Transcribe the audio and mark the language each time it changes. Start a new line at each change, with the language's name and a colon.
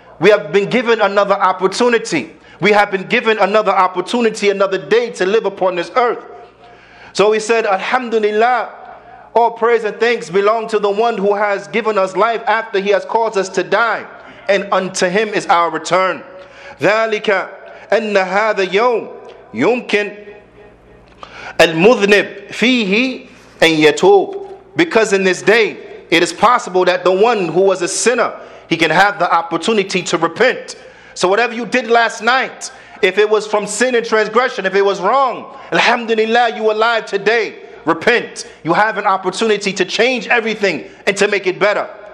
English: We have been given another opportunity. We have been given another opportunity, another day to live upon this earth. So we said, Alhamdulillah. All praise and thanks belong to the one who has given us life after he has caused us to die. And unto him is our return.
Arabic: ذلك أن هذا يوم يمكن المذنب فيه أن يتوب.
English: Because in this day, it is possible that the one who was a sinner, he can have the opportunity to repent. So whatever you did last night, if it was from sin and transgression, if it was wrong, Alhamdulillah, you are alive today. Repent. You have an opportunity to change everything and to make it better.